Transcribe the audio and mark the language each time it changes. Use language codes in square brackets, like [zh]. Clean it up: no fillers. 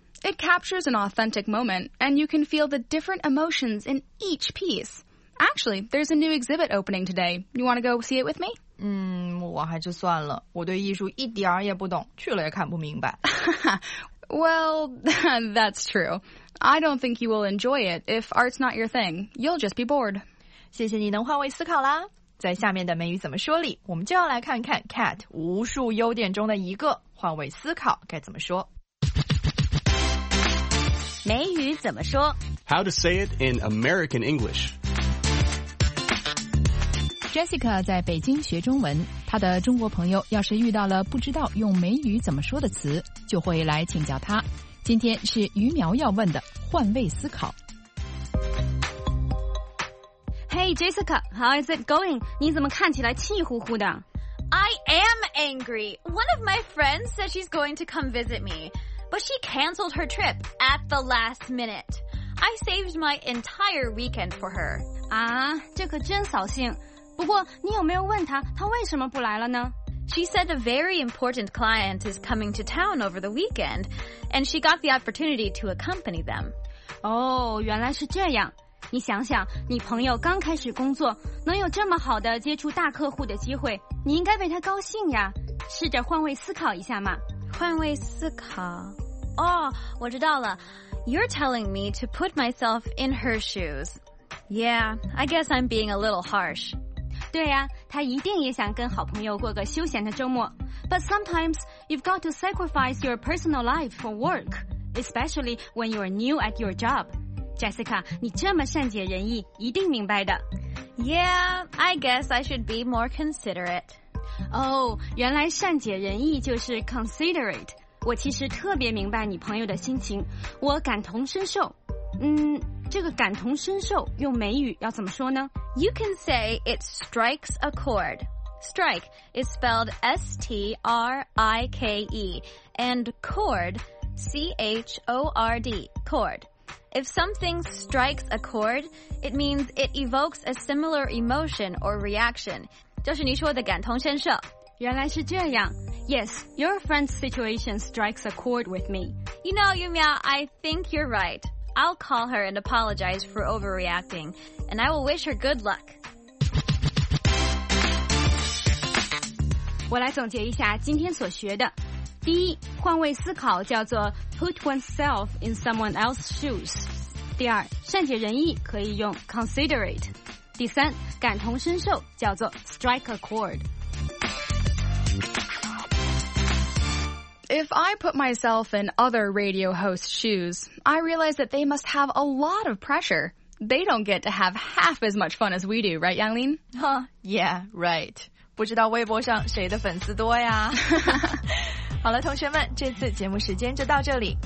[en] It captures an authentic moment and you can feel the different emotions in each piece. Actually, there's a new exhibit opening today. You want to go see it with me? [zh] 我还就算了，我对艺术一点也不懂，去了也看不明白。 [en] Well, that's true. I don't think you will enjoy it if art's not your thing. You'll just be bored. [zh] 谢谢你能换位思考啦。在下面的美语怎么说里，我们就要来看看 Cat 无数优点中的一个，换位思考该怎么说。美语怎么说？ [en] How to say it in American English. [zh] Jessica 在北京学中文，她的中国朋友要是遇到了不知道用美语怎么说的词，就会来请教她。今天是于苗要问的换位思考。 [en] Hey, Jessica, how is it going? [zh] 你怎么看起来气呼呼的? [en] I am angry. One of my friends said she's going to come visit me, but she canceled her trip at the last minute. I saved my entire weekend for her. [zh] 啊,这可真扫兴。不过你有没有问她,她为什么不来了呢? [en] She said a very important client is coming to town over the weekend, and she got the opportunity to accompany them. [zh] 哦,原来是这样。你想想，你朋友刚开始工作，能有这么好的接触大客户的机会，你应该为他高兴呀。试着换位思考一下嘛。换位思考？哦，我知道了。 [en] You're telling me to put myself in her shoes. Yeah, I guess I'm being a little harsh. [zh] 对呀，他一定也想跟好朋友过个休闲的周末。 [en] But sometimes you've got to sacrifice your personal life for work, especially when you're new at your job. [zh] Jessica, 你这么善解人意，一定明白的。 [en] Yeah, I guess I should be more considerate. [zh] 原来善解人意就是 considerate。我其实特别明白你朋友的心情，我感同身受。这个感同身受用美语要怎么说呢？ [en] You can say it strikes a chord. Strike is spelled S-T-R-I-K-E, and chord, C-H-O-R-D, chord. If something strikes a chord, it means it evokes a similar emotion or reaction. 就是你说的感同身受。原来是这样。 Yes, your friend's situation strikes a chord with me. You know, Yumiao, I think you're right. I'll call her and apologize for overreacting, and I will wish her good luck. [zh] 我来总结一下今天所学的。第一，换位思考叫做 [en] put oneself in someone else's shoes. [zh] 第二，善解人意可以用 considerate. 第三，感同身受叫做 [en] strike a chord. If I put myself in other radio hosts' shoes, I realize that they must have a lot of pressure. They don't get to have half as much fun as we do, right, Yanglin? Huh, yeah, right. [zh] 不知道微博上谁的粉丝多呀？好了，同学们，这次节目时间就到这里。